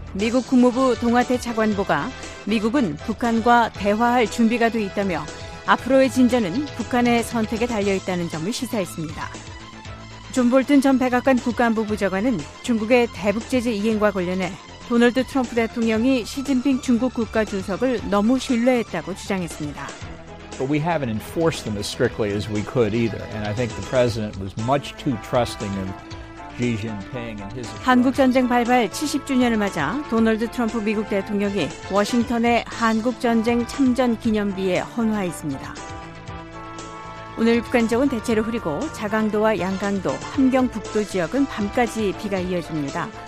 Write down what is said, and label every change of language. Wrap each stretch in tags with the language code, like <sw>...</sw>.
<ko>미국 국무부 동아태 차관보가 미국은 북한과 대화할 준비가 돼 있다며 앞으로의 진전은 북한의 선택에 달려있다는 점을 시사했습니다. 존 볼튼 전 백악관 국가안보 부장관은 중국의 대북 제재 이행과 관련해 도널드 트럼프 대통령이 시진핑 중국 국가 주석을 너무 신뢰했다고 주장했습니다.</ko> <en>But we haven't enforced them as strictly as we could either. And I think the president was much too trusting of Xi Jinping and his.</en> <ko>한국 전쟁 발발 70주년을 맞아 도널드 트럼프 미국 대통령이 워싱턴의 한국 전쟁 참전 기념비에 헌화했습니다. 오늘 북한 지역은 대체로 흐리고 자강도와 양강도, 함경북도 지역은 밤까지 비가 이어집니다.</ko>